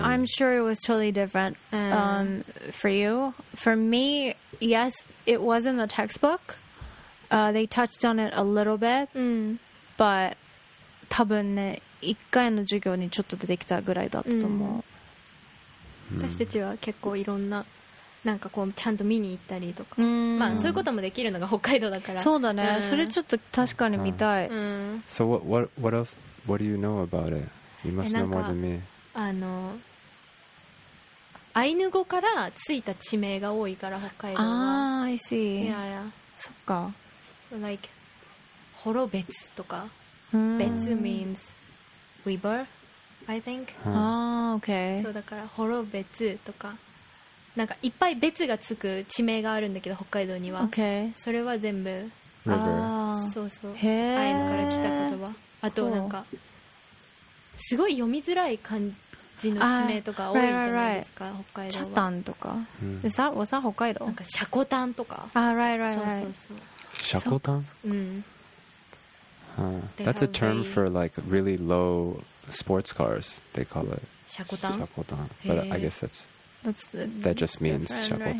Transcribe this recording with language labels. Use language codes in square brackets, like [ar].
[en] Yeah, I'm sure it was totally different for you. For me, yes, it was in the textbook. They touched on it a little bit. [ja] But 多分ね、一回の授業にちょっと出てきたぐらいだったと思う。私たちは結構いろんな、なんかこうちゃんと見に行ったりとか。まあそういうこともできるのが北海道だから。そうだね。それちょっと確かに見たい。 [en] So what else? What do you know about it? You must know more than me. [ja] あのアイヌ語からついた地名が多いから北海道は。 [en] ああ、I see. Yeah, yeah. [ja] そっか。 [en] Like ホロベツとか。ベツ means river, I think. ああ、okay. [ja] そうだからホロベツとか。なんかいっぱい別がつく地名があるんだけど北海道には、 [en] okay. [ja] それは全部 [en] River [ja] そうそうへアイヌから来た言葉あとなんかすごい読みづらい感じの地名とか多いじゃないですか、北海道はチャタンとか、うん、さ [en] was that [ja] 北海道なんかシャコタンとか [en] あ、right, right, right. [ja] そうそうそうシャコタン、うん [en] huh. That's a term for like really low sports cars they call it [ja] シャコタン, [en] シャコタン but I guess that just means shakotan.